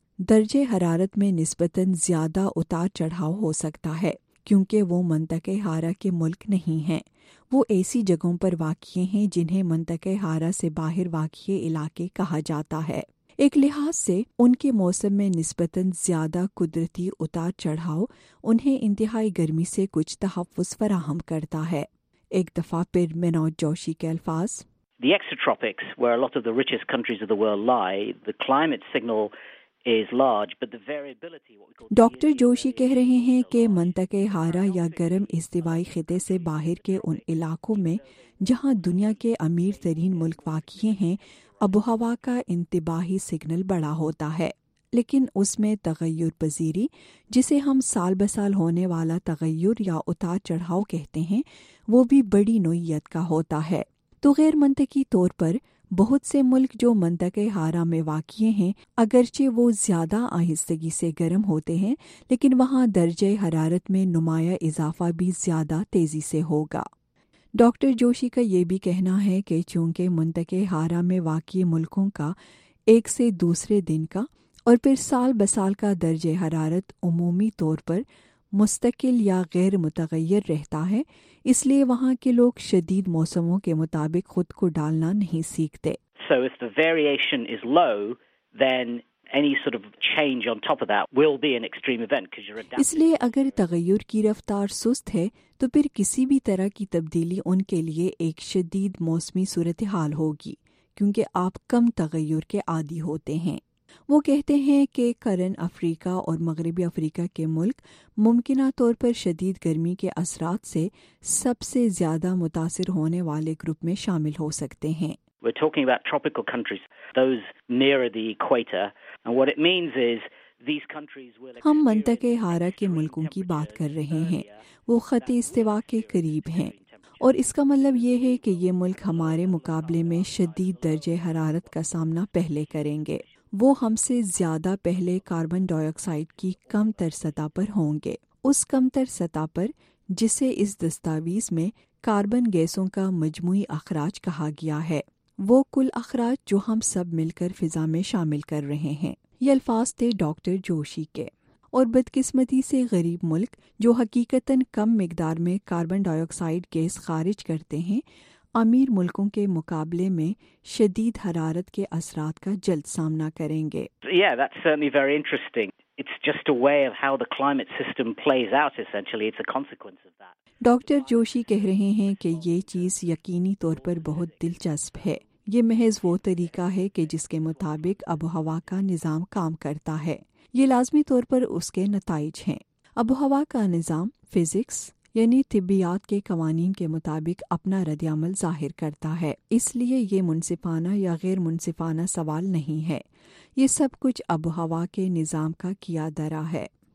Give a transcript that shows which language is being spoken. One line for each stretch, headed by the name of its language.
Urdu: درجہ حرارت میں نسبتاً زیادہ اتار چڑھاؤ ہو سکتا ہے، کیونکہ وہ منطقہ حارہ کے ملک نہیں ہیں، وہ ایسی جگہوں پر واقع ہیں جنہیں منطقہ حارہ سے باہر واقع علاقے کہا جاتا ہے۔ ایک لحاظ سے ان کے موسم میں نسبتاً زیادہ قدرتی اتار چڑھاؤ انہیں انتہائی گرمی سے کچھ تحفظ فراہم کرتا ہے۔ ایک دفعہ پھر منوج جوشی کے الفاظ۔
English: The exotropics, where a lot of the richest countries of the world lie, the climate signal is large, but the variability, what we call...
Urdu: doctor Joshi کہہ رہے ہیں کہ منطقہ حارہ یا گرم استوائی خطے سے باہر کے ان علاقوں میں جہاں دنیا کے امیر ترین ملک واقع ہیں، آب و ہوا کا انتباہی سگنل بڑا ہوتا ہے، لیکن اس میں تغیر پذیری، جسے ہم سال بسال ہونے والا تغیر یا اتار چڑھاؤ کہتے ہیں، وہ بھی بڑی نوعیت کا ہوتا ہے۔ تو غیر منطقی طور پر بہت سے ملک جو منطقہ حارہ میں واقع ہیں، اگرچہ وہ زیادہ آہستگی سے گرم ہوتے ہیں، لیکن وہاں درجہ حرارت میں نمایاں اضافہ بھی زیادہ تیزی سے ہوگا۔ ڈاکٹر جوشی کا یہ بھی کہنا ہے کہ چونکہ منطقہ حارہ میں واقع ملکوں کا ایک سے دوسرے دن کا اور پھر سال بسال کا درجہ حرارت عمومی طور پر مستقل یا غیر متغیر رہتا ہے، اس لیے وہاں کے لوگ شدید موسموں کے مطابق خود کو ڈالنا نہیں سیکھتے۔
English: So if the variation is low, then any sort of change on top of that will be an extreme event because you're adapting.
Urdu: اس لیے اگر تغیر کی رفتار سست ہے تو پھر کسی بھی طرح کی تبدیلی ان کے لیے ایک شدید موسمی صورتحال ہوگی، کیونکہ آپ کم تغیر کے عادی ہوتے ہیں۔ وہ کہتے ہیں کہ کرن افریقہ اور مغربی افریقہ کے ملک ممکنہ طور پر شدید گرمی کے اثرات سے سب سے زیادہ متاثر ہونے والے گروپ میں شامل ہو سکتے ہیں۔
English: We're talking about tropical countries, those near the equator, and what it means is
Urdu: ہم منطقہ حارہ کے ملکوں کی بات کر رہے ہیں، وہ خط استوا کے قریب ہیں، اور اس کا مطلب یہ ہے کہ یہ ملک ہمارے مقابلے میں شدید درجہ حرارت کا سامنا پہلے کریں گے، وہ ہم سے زیادہ پہلے کاربن ڈائی آکسائڈ کی کم تر سطح پر ہوں گے، اس کم تر سطح پر جسے اس دستاویز میں کاربن گیسوں کا مجموعی اخراج کہا گیا ہے، وہ کل اخراج جو ہم سب مل کر فضا میں شامل کر رہے ہیں۔ یہ الفاظ تھے ڈاکٹر جوشی کے۔ اور بدقسمتی سے غریب ملک جو حقیقتاً کم مقدار میں کاربن ڈائی آکسائڈ گیس خارج کرتے ہیں، امیر ملکوں کے مقابلے میں شدید حرارت کے اثرات کا جلد سامنا کریں گے۔
English: Yeah, that's certainly very interesting. It's just a way of how the climate system plays out essentially. It's a consequence of that.
Urdu: Doctor Joshi کہہ رہے ہیں کہ یہ چیز یقینی طور پر بہت دلچسپ ہے۔ یہ محض وہ طریقہ ہے کہ جس کے مطابق آب و ہوا کا نظام کام کرتا ہے، یہ لازمی طور پر اس کے نتائج ہیں۔ آب و ہوا کا نظام فزکس یعنی طبیعت کے قوانین کے مطابق اپنا رد عمل ظاہر کرتا ہے، اس لیے یہ منصفانہ یا غیر منصفانہ سوال نہیں ہے، یہ سب کچھ آب و ہوا کے نظام کا کیا درا ہے۔